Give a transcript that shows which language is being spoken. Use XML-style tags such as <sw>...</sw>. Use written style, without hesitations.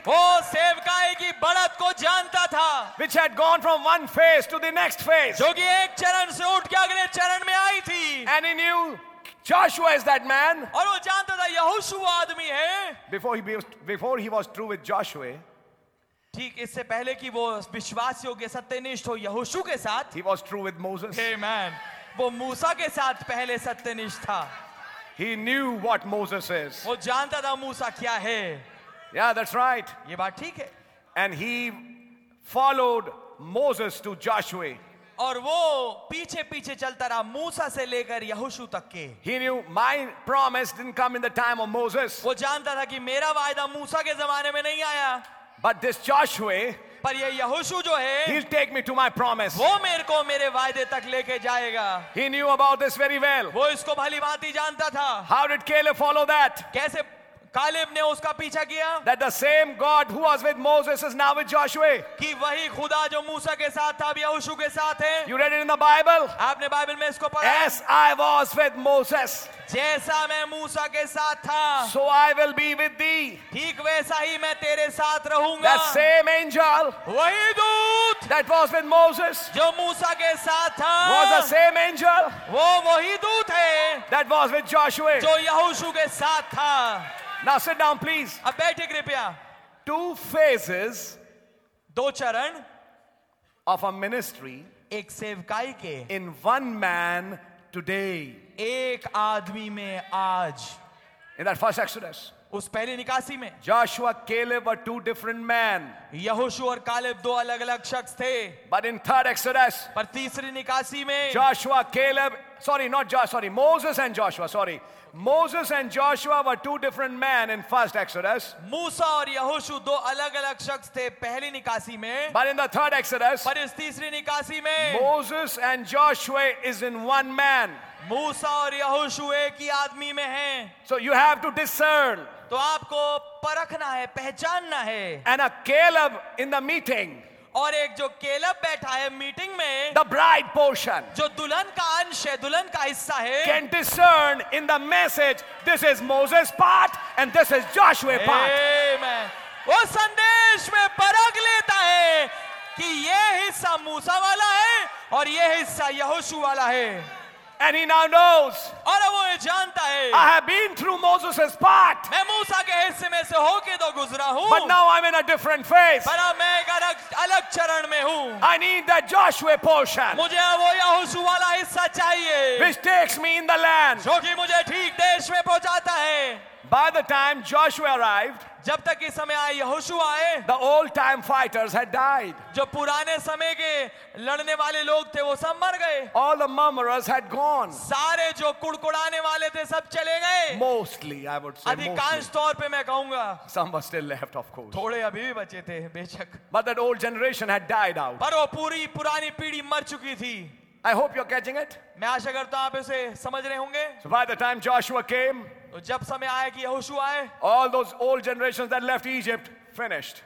<hi>वो सेवकाई की बढ़त को जानता था.</hi> <en>Which had gone from one phase to the next phase.</en> <hi>जो कि एक चरण से उठ के अगले चरण में आई थी.</hi> <en>And he knew Joshua is that man.</en> <hi>और वो जानता था यहोशू आदमी है.</hi> <en>Before he was true with Joshua.</en> <hi>ठीक इससे पहले कि वो विश्वासयोग्य सत्यनिष्ठ हो यहोशू के साथ.</hi> <en>He was true with Moses. Amen.</en> <hi>वो मूसा के साथ पहले सत्यनिष्ठ था.</hi> <en>He knew what Moses is.</en> <hi>वो जानता था मूसा क्या है.</hi> <en>Yeah, that's right.</en> <hi>ये बात ठीक है.</hi> <en>And he followed Moses to Joshua.</en> <hi>और वो पीछे पीछे चलता रहा मूसा से लेकर यहोशू तक के.</hi> <en>He knew my promise didn't come in the time of Moses.</en> <hi>वो जानता था कि मेरा वायदा मूसा के जमाने में नहीं आया.</hi> <en>But this Joshua,</en> <hi>पर ये यहोशू जो है,</hi> <en>he'll take me to my promise.</en> <hi>वो मेरे को मेरे वायदे तक लेके जाएगा.</hi> <en>He knew about this very well.</en> <hi>वो इसको भली भांति जानता था.</hi> <en>How did Caleb follow that?</en> <hi>कैसे कालेब ने उसका पीछा किया.</hi> <en>That the same God who was with Moses is now with Joshua.</en> <hi>कि वही खुदा जो मूसा के साथ था अभी यहोशू के साथ है.</hi> <en>You read it in the Bible.</en> <hi>आपने बाइबल में इसको पढ़ा.</hi> <en>As I was with Moses.</en> <hi>जैसा मैं मूसा के साथ था.</hi> <en>So I will be with thee.</en> <hi>ठीक वैसा ही मैं तेरे साथ रहूँगा.</hi> <en>That same angel.</en> <hi>वही दूत.</hi> <en>That was with Moses.</en> <hi>जो मूसा के साथ था.</hi> <en>Was the same angel.</en> <hi>वो वही दूत है.</hi> <en>That was with Joshua.</en> <hi>जो यहोशू के साथ था.</hi> <en>Now sit down, please.</en> <hi>अब बैठे कृपया.</hi> <en>Two phases.</en> <hi>दो चरण.</hi> <en>Of a ministry.</en> <hi>एक सेवकाई के.</hi> <en>In one man today.</en> <hi>एक आदमी में आज.</hi> <en>In that first Exodus.</en> <hi>उस पहली निकासी में.</hi> <en>Joshua, Caleb were two different men.</en> <hi>यहोशू और कालेब दो अलग-अलग शख्स थे.</hi> <en>But in third Exodus.</en> <hi>पर तीसरी निकासी में.</hi> <en>Joshua, Caleb, sorry, not Joshua, sorry, Moses and Joshua, sorry. Moses and Joshua were two different men in first Exodus.</en> <hi>Musa aur Yahoshu do alag alag shakhs the pehli nikasi mein.</hi> <en>But in the third Exodus.</en> <hi>Par is teesri nikasi mein.</hi> <en>Moses and Joshua is in one man.</en> <hi>Musa aur Yahoshu ek hi aadmi mein hain.</hi> <en>So you have to discern.</en> <hi>To aapko parakhna hai, pehchanna hai.</hi> <en>And a Caleb in the meeting.</en> <hi>और एक जो Caleb बैठा है meeting में.</hi> <en>the bride portion</en> <hi>जो दुल्हन का अंश है दुल्हन का हिस्सा है.</hi> <en>Can discern in the message this is Moses part and this is Joshua part.</en> <hi>आमेन. वो संदेश में परख लेता है कि ये हिस्सा मूसा वाला है और ये हिस्सा यहोशू वाला है.</hi> <en>And he now knows.</en> <hi>और वो ये जानता है.</hi> <en>I have been through Moses's part.</en> <hi>मैं मूसा के हिस्से में से होके तो गुजरा हूँ.</hi> <en>But now I'm in a different phase.</en> <hi>पर अब मैं एक अलग चरण में हूँ.</hi> <en>I need that Joshua portion.</en> <hi>मुझे वो यहोशू वाला हिस्सा चाहिए.</hi> <en>Which takes me in the land.</en> <hi>जो कि मुझे ठीक देश में पहुँचाता है.</hi> <en>By the time Joshua arrived.</en> <hi>जब तक इस समय आए यहोशू आए.</hi> <en>The old time fighters had died.</en> <hi>जो पुराने समय के लड़ने वाले लोग थे वो सब मर गए.</hi> <en>All the murmurers had gone.</en> <hi>सारे जो कुड़कुड़ाने वाले थे सब चले गए.</hi> <en>Mostly, I would say.</en> <hi>अधिकांश तौर पे मैं कहूंगा.</hi> <en>Some were still left, of course.</en> <hi>थोड़े अभी भी बचे थे बेशक.</hi> <en>But that old generation had died out.</en> <hi>पर वो पूरी पुरानी पीढ़ी मर चुकी थी.</hi> <en>I hope you're catching it.</en> <hi>मैं आशा करता हूँ आप इसे समझ रहे होंगे.</hi> <en>So by the time Joshua came.</en> <hi>तो जब समय आया कि यहोशू आए.</hi> <en>All those old generations that left Egypt finished.</en>